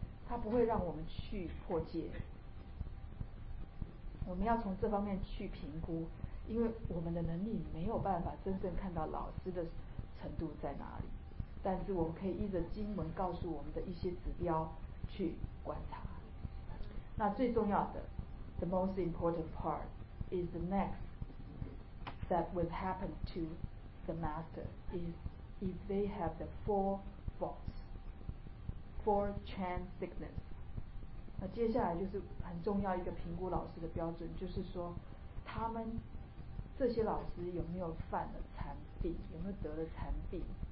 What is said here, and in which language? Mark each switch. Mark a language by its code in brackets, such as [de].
[zh] 他不会让我们去破戒，我们要从这方面去评估。因为我们的能力没有办法真正看到老师的程度在哪里，但是我们可以依着经文告诉我们的一些指标去观察。那最重要的 [en] the most important part is the next that will happen to the master is if they have the four faults, four chain sickness。 [zh] 那接下来就是很重要一个评估老师的标准，就是说他们这些老师有没有犯了禅病，有没有得了禅病。